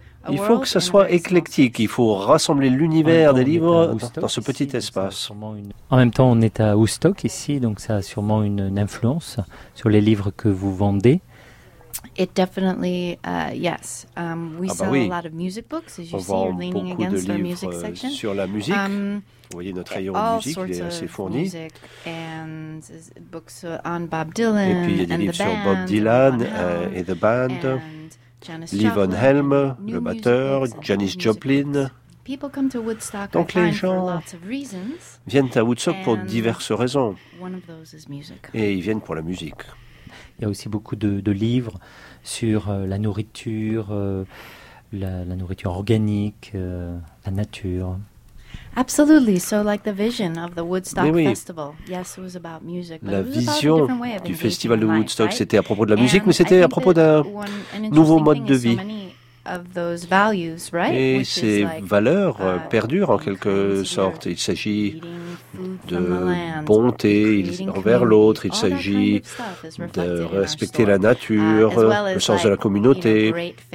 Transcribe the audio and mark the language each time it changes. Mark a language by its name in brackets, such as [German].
[French] Il faut que ça soit éclectique. Il faut rassembler l'univers des livres dans ce petit espace. En même temps, on est à Woodstock ici, donc ça a sûrement une influence sur les livres que vous vendez. [English] It definitely yes. We sell a lot of music books, as you see, you're leaning against our music section. [French] Sur la musique. Vous voyez notre rayon de musique, il est assez fourni. [English] And books on Bob Dylan. [French] Et puis il y a des livres sur Bob Dylan et the band. Lee Von Helm, le batteur, Janis Joplin. Donc les gens viennent à Woodstock pour diverses raisons. Et ils viennent pour la musique. Il y a aussi beaucoup de livres sur la nourriture organique, la nature. [English] Absolutely. So, like the vision of the Woodstock Festival. Yes, it was about music. But [French] la vision du festival de Woodstock, [English] right? [French] C'était à propos de la musique, mais c'était à propos d'un nouveau mode de vie. [English] Right? [French] Et ces valeurs perdurent en quelque sorte. Il s'agit de bonté envers l'autre, il s'agit de respecter la nature, le sens de la communauté.